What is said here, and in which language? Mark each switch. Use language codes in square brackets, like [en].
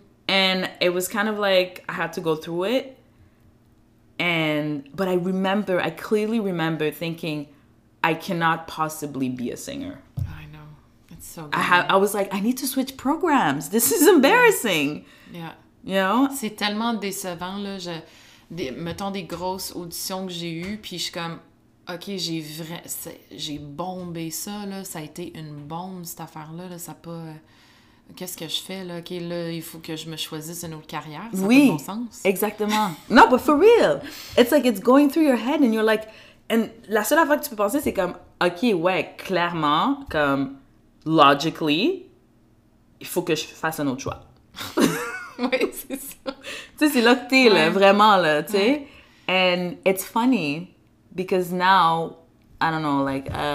[en] And it was kind of like I had to go through it. And but I remember, I clearly remember thinking, I cannot possibly be a singer. I know. It's so good. I was like, I need to switch programs. This is embarrassing. Yeah. You know? [fr] C'est tellement décevant, là. Mettons des grosses auditions que j'ai eues, puis je suis comme, OK, j'ai bombé ça, là. Ça a été une bombe, cette affaire-là. Là. Ça n'a pas... Qu'est-ce que je fais, là? OK, là, il faut que je me choisisse une autre carrière. Ça oui, a pas de bon sens. Exactement. Non, [en] but for real. It's like, it's going through your head, and you're like... [fr] And la seule affaire que tu peux penser, c'est comme, OK, ouais, clairement, comme, logically, il faut que je fasse un autre choix. Oui, c'est ça. Tu sais, c'est là que t'es, ouais. Là, vraiment, là, tu sais. Ouais. [en] And it's funny, because now, I don't know, like,